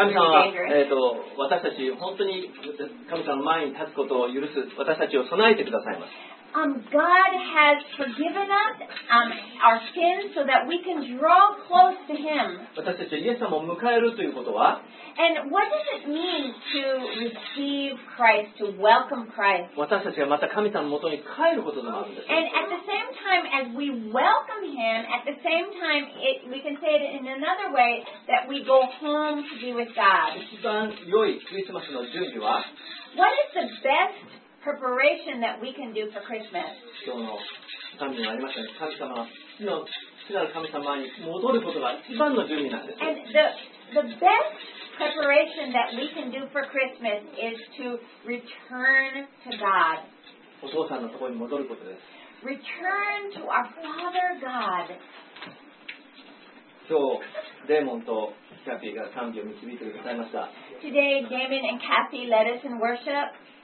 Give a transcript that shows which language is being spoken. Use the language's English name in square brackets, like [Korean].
[Japanese] 神様は、私たち本当に神様の前に立つことを許す私たちを備えてくださいます。 [English] God has forgiven us our sins so that we can draw close to Him. [Japanese] 私たちはイエス様を迎えるということは、 [English] And what does it mean to receive Christ, to welcome Christ? [Japanese] 私たちがまた神様の元に帰ることでもあるんです。 [English] And at the same time as we welcome Him, at the same time we can say it in another way that we go home to be with God. [Japanese] 一番良いクリスマスの準備は、 [English] What is the best? Preparation that we can do for Christmas. [Japanese] 今日の神様、父なる神様に戻ることが一番の準備なんです。 [English] And the best preparation that we can do for Christmas is to return to God. [Japanese] お父さんのところに戻ることです。 [English] Return to our Father God. [Japanese] 今日、デーモンとキャッフィーが賛美を導いてくださいました。 [English] Today, Damon and Kathy led us in worship.